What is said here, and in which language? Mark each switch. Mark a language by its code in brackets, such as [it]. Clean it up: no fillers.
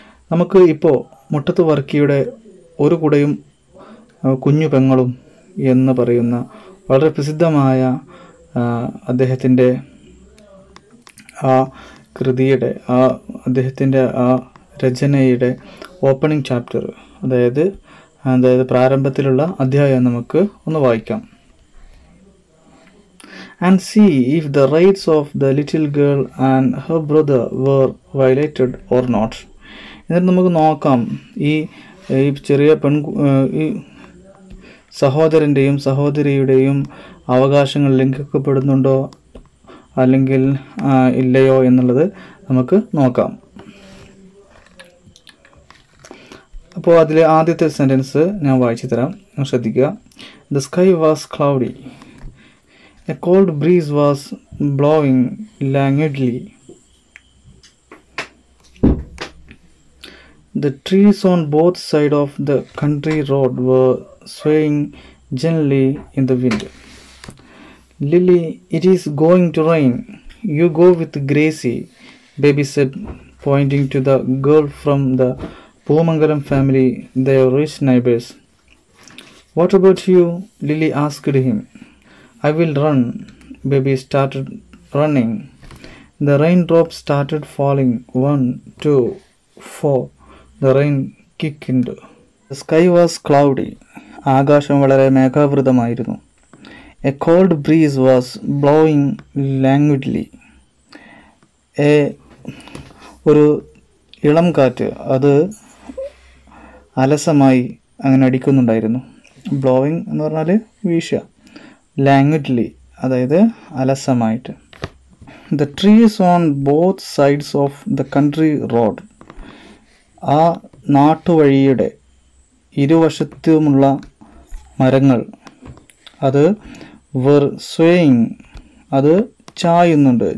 [ml] നമുക്ക് ഇപ്പോൾ മുട്ടത്ത് വർക്കിയുടെ ഒരു കുടയും കുഞ്ഞു പെങ്ങളും എന്ന് പറയുന്ന വളരെ പ്രസിദ്ധമായ അദ്ദേഹത്തിൻ്റെ ആ കൃതിയുടെ ആ അദ്ദേഹത്തിൻ്റെ ആ രചനയുടെ ഓപ്പണിംഗ് ചാപ്റ്റർ, അതായത് പ്രാരംഭത്തിലുള്ള അധ്യായം നമുക്ക് ഒന്ന് വായിക്കാം. [en] And see if the rights of the little girl and her brother were violated or not. [ml] എന്നിട്ട് നമുക്ക് നോക്കാം ഈ ചെറിയ പെൺ ഈ സഹോദരൻ്റെയും സഹോദരിയുടെയും അവകാശങ്ങൾ ലംഘിക്കപ്പെടുന്നുണ്ടോ അല്ലെങ്കിൽ ഇല്ലയോ എന്നുള്ളത് നമുക്ക് നോക്കാം. അപ്പോൾ അതിൽ ആദ്യത്തെ സെൻറ്റൻസ് ഞാൻ വായിച്ചു തരാം, ശ്രദ്ധിക്കുക. [en] The sky was cloudy. A cold breeze was blowing languidly. The trees on both sides of the country road were swaying gently in the wind. Lily, it is going to rain. You go with Gracie, baby said, pointing to the girl from the Pumangalam family, their rich neighbors. What about you? Lily asked him. I will run. Baby started running. The raindrops started falling. 1, 2, 4. The rain kicked. The sky was cloudy. [ml] Akasham valare meghavrutamayirunnu. [en] A cold breeze was blowing languidly. [ml] ഒരു ഇളം കാറ്റ് അത് അലസമായി അങ്ങനെ അടിക്കുന്നുണ്ടായിരുന്നു. Blowing എന്ന് പറഞ്ഞാൽ വീശുക. ലാംഗ്വിഡ്ലി അതായത് അലസമായിട്ട്. [en] the trees on both sides of the country road, [ml] ആ നാട്ടുവഴിയുടെ ഇരുവശത്തുമുള്ള മരങ്ങൾ, അത് [en] were swaying, [ml] അത് ചായുന്നുണ്ട്.